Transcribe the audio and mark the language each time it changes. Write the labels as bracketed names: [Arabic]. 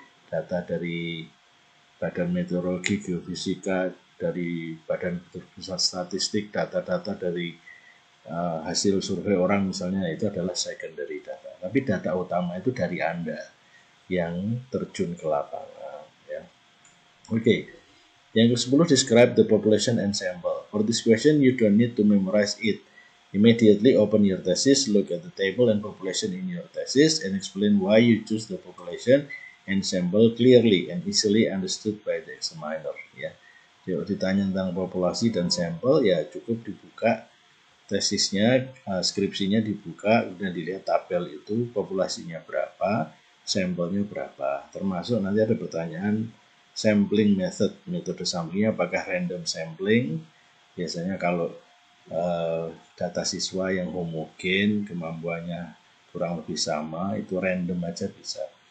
[Indonesian] Data dari badan meteorologi, geofisika, dari badan pusat statistik, data-data dari hasil survei orang misalnya, itu adalah secondary data. Tapi data utama itu dari Anda yang terjun ke lapangan. Ya. Oke. Yang ke-10, [English] describe the population and sample. For this question, you don't need to memorize it. Immediately open your thesis, look at the table and population in your thesis, and explain why you choose the population and sample clearly and easily understood by the examiner. [Indonesian] Ya. Jadi, kalau ditanya tentang populasi dan sampel, ya cukup dibuka tesisnya, skripsinya dibuka, dan dilihat tabel itu populasinya berapa, sampelnya berapa. Termasuk nanti ada pertanyaan, sampling method, metode sampling, apakah random sampling, biasanya kalau data siswa yang homogen, kemampuannya kurang lebih sama, itu random aja bisa.